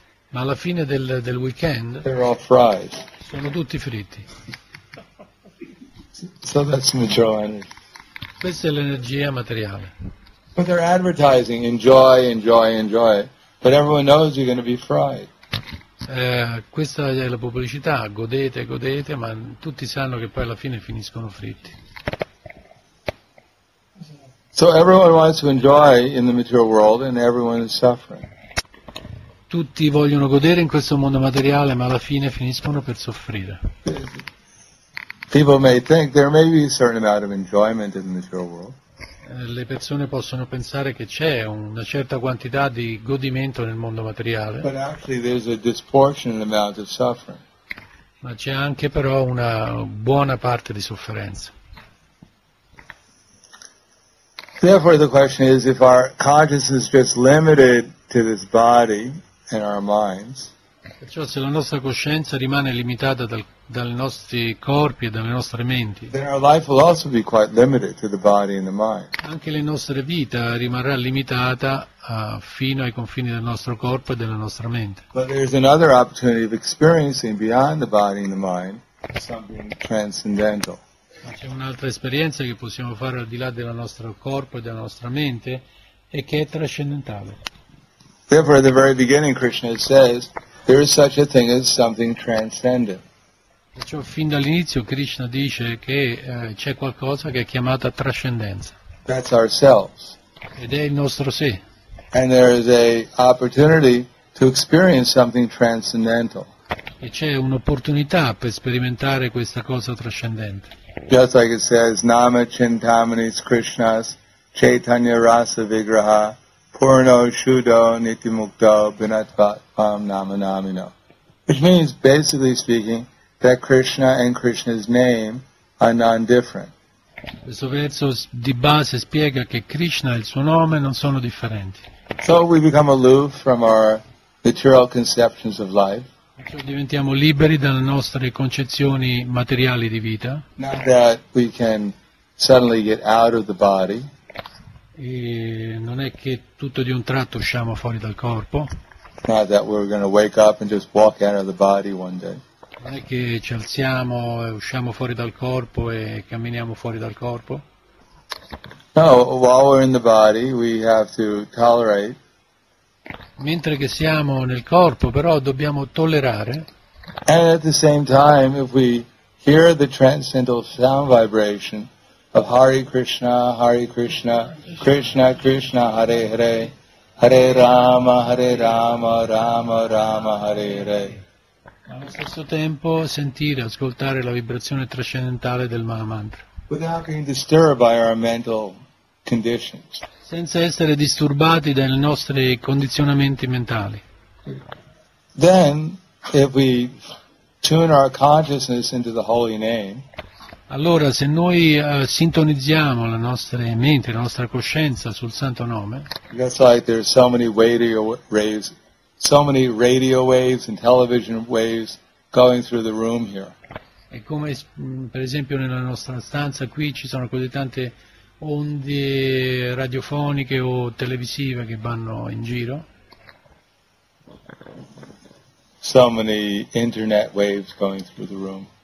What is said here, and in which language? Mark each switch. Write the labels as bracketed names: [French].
[Italian] ma alla fine del weekend, [English] they're all fried. [Italian] Sono tutti fritti. [English] So that's material energy. [Italian] Questa è l'energia materiale. [English] But they're advertising, enjoy, enjoy, enjoy. But everyone knows you're going to be fried. [Italian] Questa è la pubblicità, godete, godete, ma tutti sanno che poi alla fine finiscono fritti. [English] So everyone wants to enjoy in the material world and everyone is suffering. [Italian] Tutti vogliono godere in questo mondo materiale, ma alla fine finiscono per soffrire. [English] People may think there may be a certain amount of enjoyment in the material world. [Italian] Le persone possono pensare che c'è una certa quantità di godimento nel mondo materiale, [English] but actually there's a disproportionate amount of suffering. [Italian] Ma c'è anche però una buona parte di sofferenza. [English] Therefore the question is, if our consciousness is just limited to this body and our minds, [Italian] perciò se la nostra coscienza rimane limitata dai nostri corpi e dalle nostre menti, [English] then our life will also be quite limited to the body and the mind. [Italian] Anche la nostra vita rimarrà limitata fino ai confini del nostro corpo e della nostra mente. [English] But there's another opportunity of experiencing beyond the body and the mind something transcendental. [Italian] Ma c'è un'altra esperienza che possiamo fare al di là del nostro corpo e della nostra mente e che è trascendentale. [English] Therefore at the very beginning Krishna says there is such a thing as something transcendent. [Italian] Perciò fin dall'inizio Krishna dice che c'è qualcosa che è chiamata trascendenza. [English] That's ourselves. [Italian] Ed è il nostro sé. [English] And there is a opportunity to experience something transcendental. [Italian] E c'è un'opportunità per sperimentare questa cosa trascendente. [English] Just like it says, [Sanskrit] Nama Chintamanis Krishnas Chaitanya Rasa Vigraha Purno Shudo Nitimukto Binatvatvam Nama Namino. [English] Which means, basically speaking, that Krishna and Krishna's name are non-different. [Italian] Questo verso di base spiega che Krishna e il suo nome non sono differenti. [English] So we become aloof from our material conceptions of life. [Italian] Perciò diventiamo liberi dalle nostre concezioni materiali di vita. [English] Not that we can suddenly get out of the body. [Italian] E non è che tutto di un tratto usciamo fuori dal corpo. [English] Not that we're going to wake up and just walk out of the body one day. [Italian] Non è che ci alziamo e usciamo fuori dal corpo e camminiamo fuori dal corpo. [English] No, while we're in the body, we have to tolerate. [Italian] Mentre che siamo nel corpo, però dobbiamo tollerare. [English] And at the same time, if we hear the transcendental sound vibration of Hare Krishna, Krishna Krishna, Hare Hare, Hare Rama, Rama Rama, Hare Hare. [Italian] Allo stesso tempo sentire, ascoltare la vibrazione trascendentale del Mahamantra. [English] Without being disturbed by our mental conditions. [Italian] Senza essere disturbati dai nostri condizionamenti mentali. [English] Then, if we tune our consciousness into the holy name. [Italian] Allora, se noi sintonizziamo la nostra mente, la nostra coscienza sul Santo Nome. [English] Just like there are so many weighty rays. So many radio waves and television waves going through the room here. [Italian] E come per esempio nella nostra stanza qui ci sono così tante onde radiofoniche o televisive che vanno in giro. [English] So many internet waves going through the room.